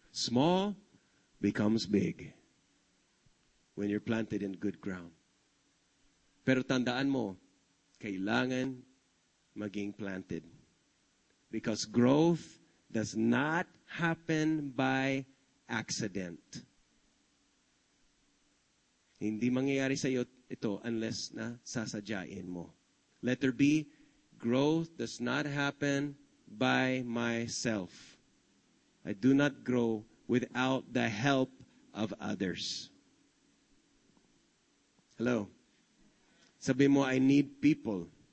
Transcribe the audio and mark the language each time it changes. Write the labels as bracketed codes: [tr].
[en] Small becomes big when you're planted in good ground. [tl] Pero tandaan mo, kailangan maging planted. [en] Because growth does not happen by accident. [tl] Hindi mangyayari sa iyo ito unless na sasadyain mo. [en] Letter B, growth does not happen by myself. I do not grow without the help of others. Hello? [tl] Sabi mo, [en] I need people.